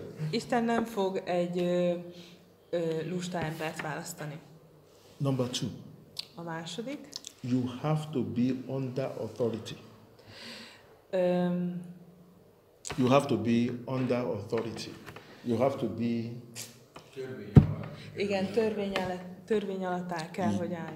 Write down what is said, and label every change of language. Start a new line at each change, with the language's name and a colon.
Hungarian: Isten nem fog egy lusta embert választani.
English: Number two.
Hungarian: A második.
English: You have to be under authority. You have to be under authority. You have to be...
Hungarian: Igen, törvény alatt el kell, hogy állj.